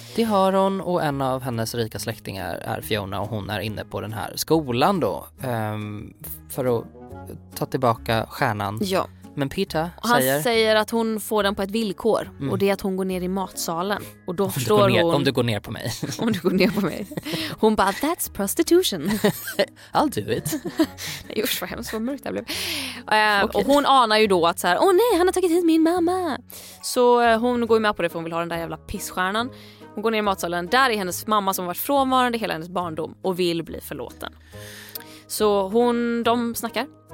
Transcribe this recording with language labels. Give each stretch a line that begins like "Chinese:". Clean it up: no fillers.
Swedish: Det har hon, och en av hennes rika släktingar är Fiona, och hon är inne på den här skolan då. För att ta tillbaka stjärnan. Ja. Men Peter säger att hon får den på ett villkor. Och det är att hon går ner i matsalen. Och då tror hon... Om du går ner på mig. Om du går ner på mig. Hon bara,
English: that's prostitution. I'll do it.
Swedish: Nej, usch, vad hemskt, vad mörkt det blev. Och hon anar ju då att så här, åh nej, han har tagit hit min mamma. Så hon går ju med på det, för hon vill ha den där jävla pissstjärnan. Hon går ner i matsalen. Där är hennes mamma som har varit frånvarande hela hennes barndom. Och vill bli förlåten. Så de snackar.